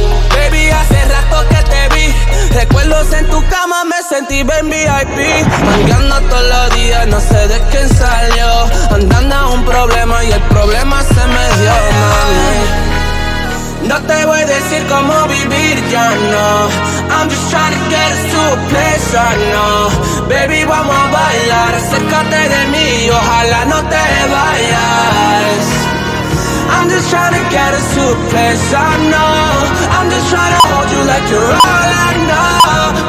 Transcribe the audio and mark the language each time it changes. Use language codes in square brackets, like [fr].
[es] Baby, hace rato que te vi. Recuerdos en tu cama, me sentí bien VIP. Mangueando todos los días, no sé de quién salió. Andando a un problema y el problema se me dio, mami. No te voy a decir cómo vivir, yo no. [en] I'm just trying to get us to a place, I know. [es] Baby, vamos a bailar, acércate de mí, ojalá no te vayas. [en] I'm just trying to get us to a place, I know. I'm just trying to hold you like you're all I know.